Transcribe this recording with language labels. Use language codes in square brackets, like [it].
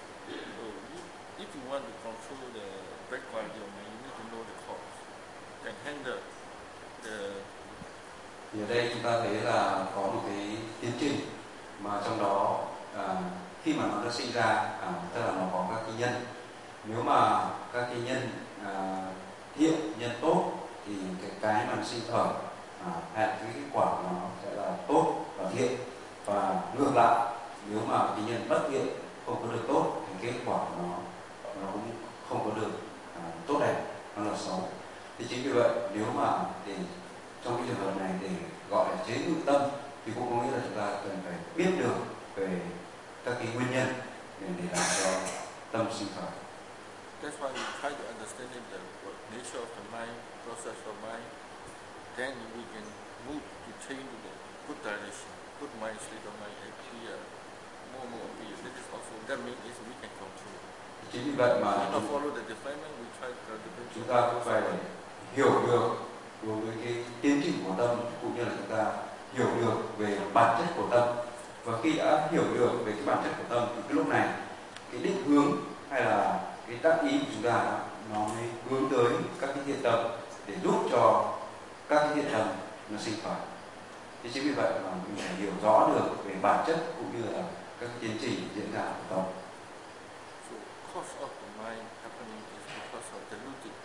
[en] So, if you want to control the bad quality of mind, you need to know the cause. Then handle the. [vi] Thì ở đây chúng ta thấy là có một cái tiến trình mà trong đó khi mà nó đã sinh ra, tức là nó có các cái nhân. Nếu mà các cái nhân thiện, nhân tốt thì cái mà sinh khởi hay là cái quả nó sẽ là tốt và thiện, và ngược lại nếu mà cái nhân bất thiện không có được tốt thì kết quả nó cũng không có được tốt đẹp, nó là xấu. Thì chính vì vậy nếu mà để trong cái trường hợp này để gọi là chế ngự tâm thì cũng có nghĩa là chúng ta cần phải biết được về các cái nguyên nhân để làm cho tâm sinh khởi. [en] That's why we try to understand the nature of the mind, process of mind. Then we can move to change the good direction, good mind, state of mind, appear more appear. That is also that means we can control. [vi] Chính vì vậy mà chúng ta [en] follow the defilement, we try to control. [vi] Chúng ta cũng phải hiểu được đối với cái tiến trình của tâm, cũng như là chúng ta hiểu được về bản chất của tâm. Và khi đã hiểu được về cái bản chất của tâm, thì cái lúc này cái định hướng hay là cái tác ý của chúng ta nó mới hướng tới các cái thiện tâm để giúp cho các cái thiện tâm nó sinh khởi. Thế chính vì vậy mà mình phải hiểu rõ được về bản chất cũng như là các tiến trình diễn ra của tâm. [en] So, cause of the mind happening is because of the deluded.